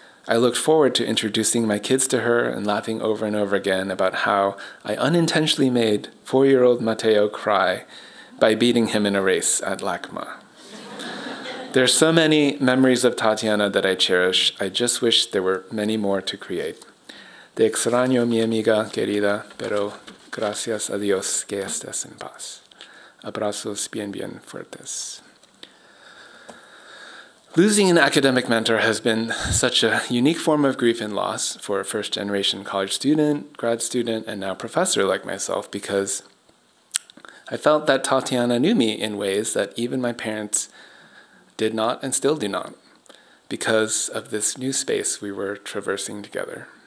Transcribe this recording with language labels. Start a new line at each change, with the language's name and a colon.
English: I looked forward to introducing my kids to her and laughing over and over again about how I unintentionally made 4-year-old Mateo cry by beating him in a race at LACMA. There are so many memories of Tatiana that I cherish. I just wish there were many more to create.
Spanish: Te extraño, mi amiga querida, pero gracias a Dios que estés en paz. Abrazos bien, bien fuertes.
English: Losing an academic mentor has been such a unique form of grief and loss for a first-generation college student, grad student, and now professor like myself, because I felt that Tatiana knew me in ways that even my parents did not and still do not, because of this new space we were traversing together.